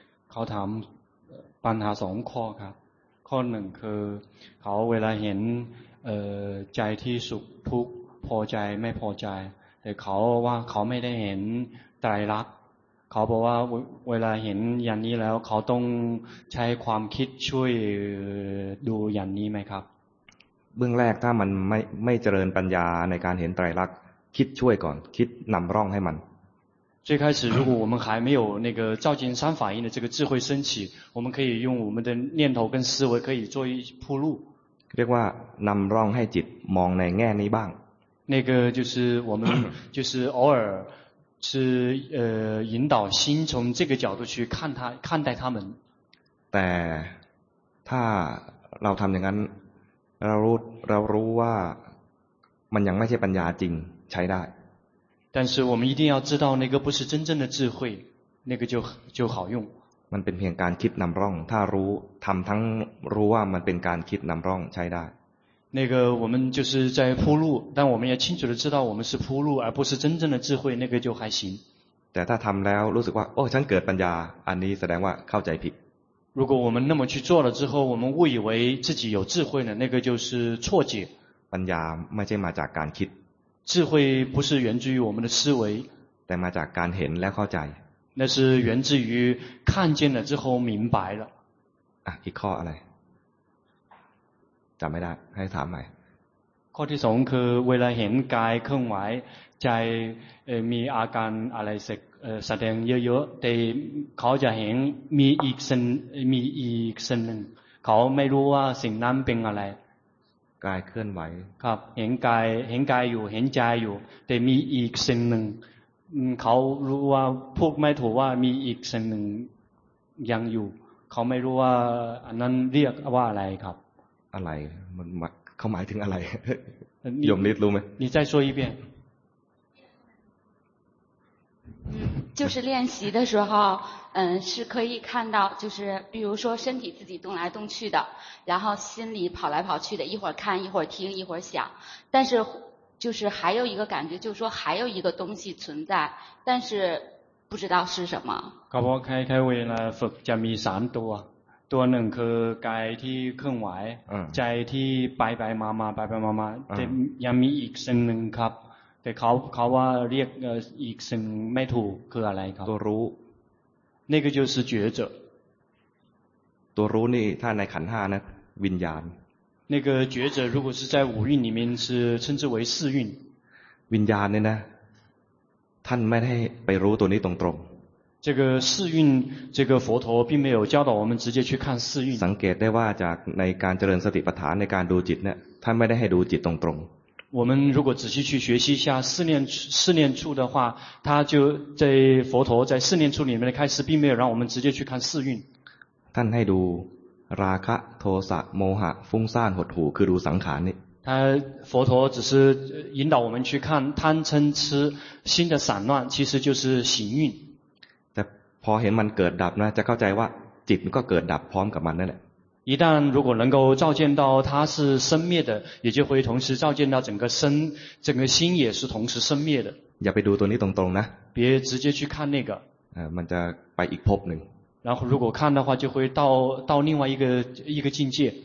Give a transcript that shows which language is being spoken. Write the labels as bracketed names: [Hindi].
[Thai] เขาถามปัญหาสองข้อครับ ข้อหนึ่งคือเขาเวลาเห็นใจที่สุขทุกข์พอใจไม่พอใจแต่เขาว่าเขาไม่ได้เห็นไตรลักษณ์เขาบอกว่าเวลาเห็นอย่างนี้แล้วเขาต้องใช้ความคิดช่วยดูอย่างนี้ไหมครับ เบื้องแรกถ้ามันไม่เจริญปัญญาในการเห็นไตรลักษณ์คิดช่วยก่อนคิดนำร่องให้มัน [Chinese] 最开始如果我们还没有那个照见三法印的这个智慧升起我们可以用我们的念头跟思维可以做一铺路 [Thai] เรียกว่านำร่องให้จิตมองในแง่นี้บ้าง [Chinese] 那个就是我们就是偶尔是引导心从这个角度去看他看待他们 [Thai] แต่ถ้าเราทําอย่างนั้นเรารู้ว่ามันยังไม่ใช่ปัญญาจริงใช้ได้ [Chinese] 但是我们一定要知道那个不是真正的智慧那个就好用 [Thai] มันเป็นเพียงการคิดนําร่องถ้ารู้ทําทั้งรู้ว่ามันเป็นการคิดนําร่องใช้ได้ [Chinese] 那个我们就是在铺路但我们也清楚地知道我们是铺路而不是真正的智慧那个就还行 [Thai] แต่ถ้าทําแล้วรู้สึกว่าโอ้ฉันเกิดปัญญาอันนี้แสดงว่าเข้าใจผิด [Chinese] 如果我们那么去做了之后我们误以为自己有智慧呢那个就是错解 [Thai] ปัญญาไม่ใช่มาจากการคิด [Chinese] 智慧不是源自于我们的思维 [Thai] แต่มาจากการเห็นและเข้าใจ [Chinese] 那是源自于看见了之后明白了 [Thai] อีกข้ออะไรจำไม่ได้ให้ถามใหม่ข้อที่สองคือเวลาเห็นกายเคลื่อนไหวใจมีอาการอะไรสักแสดงเยอะๆแต่เขาจะเห็นมีอีกสิ่งหนึ่งเขาไม่รู้ว่าสิ่งนั้นเป็นอะไร กายเคลื่อนไหว ครับเห็นกายอยู่เห็นใจอยู่แต่มีอีกสิ่งหนึ่งเขารู้ว่าพูดไม่ถูกว่ามีอีกสิ่งหนึ่งยังอยู่เขาไม่รู้ว่าอันนั้นเรียกว่าอะไรครับ อะไรมันเขาหมายถึงอะไรโยมนิดรู้ไ [Chinese] หม你再说一遍嗯就是练习的时候嗯是可以看到就是比如说身体自己动来动去的然后心里跑来跑去的一会儿看一会儿听一会儿想但是就是还有一个感觉就是说还有一个东西存在但是不知道是什么 [Thai] ก็เพราะคล้ายคล้ายเวลาฝึกจะมีสามตัวตัวหนึ่งคือกายที่เคลื่อนไหวใจที่ไปไปมามาไปไปมามาแต่ยังมีอีกสิ่งหนึ่งครับแต่เขาว่าเรียกอีกสิ่งไม่ถูกคืออะไรครับ ตัวรู้ [Chinese] 那个就是觉者 [Thai] ตัวรู้นี่ถ้าในขันธ์ห้านะวิญญาณ [Chinese] 那个觉者如果是在五蕴里面是称之为四蕴 [Thai] วิญญาณเนี่ยนะท่านไม่ได้ไปรู้ตัวนี้ตรงๆ [Chinese] 这个四蕴这个佛陀并没有教导我们直接去看四蕴 [Thai] สังเกตได้ว่าจากในการเจริญสติปัฏฐานในการดูจิตเนี่ยท่านไม่ได้ให้ดูจิตตรง [Chinese] ๆ我们如果仔细去学习一下四念处的话他就在佛陀在四念处里面的开始并没有让我们直接去看四蕴 [Thai] ท่านให้ดูราคะโทสะโมหะฟุ้งซ่านหดหู่คือดูสังขารนี่ [Chinese] 他佛陀只是引导我们去看贪嗔痴心的散乱其实就是行蕴 [Thai] พอเห็นมันเกิดดับนะจะเข้าใจว่าจิตก็เกิดดับพร้อมกับมันนั่นแหละ [Chinese] 一旦如果能够照见到它是生灭的也就会同时照见到整个身整个心也是同时生灭的 [Thai] อย่าไปดูตัวนี้ตรงๆนะ [Chinese] 别直接去看那个 [Thai] มันจะไปอีกภพหนึ่ง [Chinese] 然后如果看的话就会到另外一个境界